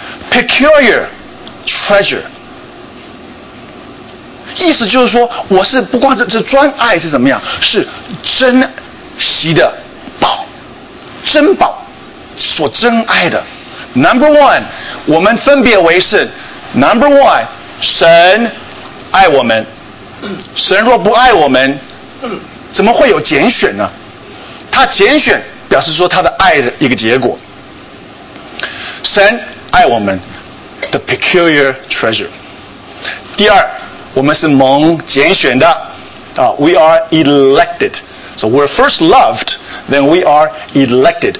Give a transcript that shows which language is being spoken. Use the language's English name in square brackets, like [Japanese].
[English] Peculiar treasure， [Chinese] 意思就是说，我是不光是专爱是怎么样，是珍惜的宝，珍宝所珍爱的。 [English] Number one， [Chinese] 我们分别为圣。Number one， 神爱我们，神若不爱我们，怎么会有拣选呢？他拣选表示说他的爱的一个结果。神爱我们 ， [English] the peculiar treasure。 [Chinese] 第二，我们是蒙拣选的，啊 ， [English] we are elected， So we're first loved, then we are elected.